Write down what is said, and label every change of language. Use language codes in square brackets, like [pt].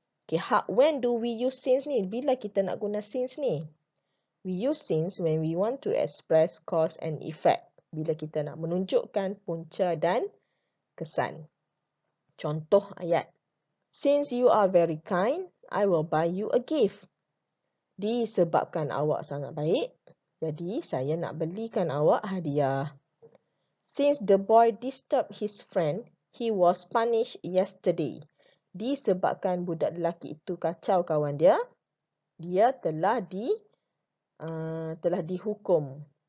[en] Okay, how, when do we use since ni? [ms] Bila kita nak guna since ni? [en] We use since when we want to express cause and effect. [ms] Bila kita nak menunjukkan punca dan kesan. Contoh ayat. [en] Since you are very kind, I will buy you a gift. [ms] Disebabkan awak sangat baik, jadi saya nak belikan awak hadiah. [en] Since the boy disturbed his friend, he was punished yesterday. [ms] Disebabkan budak lelaki itu kacau kawan dia, dia telah di telah dihukum.